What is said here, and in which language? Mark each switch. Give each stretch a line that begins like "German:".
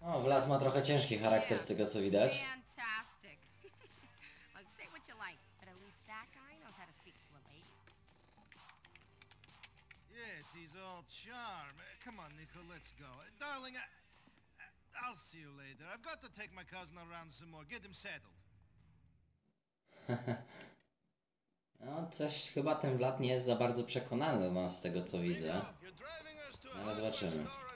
Polish: O, Vlad ma trochę ciężki charakter z tego co widać.
English: Fantastic. Look, say what you like, but at least that guy knows how to speak to a lady. Yes, he's all charm. Come on, Niko, let's go. Darling, I'll see you later. I've got to take my cousin around some more. Get him settled.
Polish: No coś chyba ten Vlad nie jest za bardzo przekonany do nas z tego co widzę. Ale zobaczymy.